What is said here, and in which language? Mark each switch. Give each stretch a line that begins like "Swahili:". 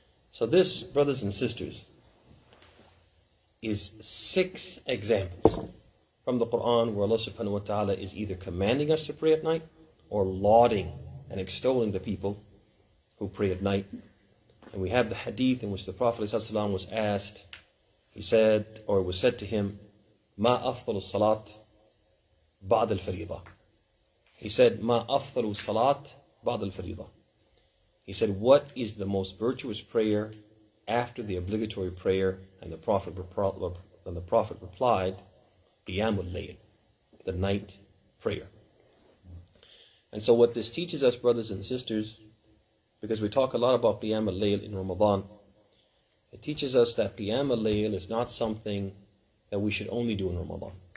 English: So this, brothers and sisters, is six examples from the Qur'an where Allah subhanahu wa ta'ala is either commanding us to pray at night or lauding and extolling the people who pray at night. And we have the hadith in which the Prophet ﷺ was asked, he said, or it was said to him,
Arabic: مَا أَفْضَلُ الصَّلَاةِ بَعْدَ الْفَرِيضَةِ.
English: He said,
Arabic: مَا أَفْضَلُ الصَّلَاةِ بَعْدَ الْفَرِيضَةِ.
English: He said, what is the most virtuous prayer after the obligatory prayer? And the Prophet replied, قيام الليل, the night prayer. And so what this teaches us, brothers and sisters, because we talk a lot about قيام الليل in Ramadan, it teaches us that قيام الليل is not something that we should only do in Ramadan.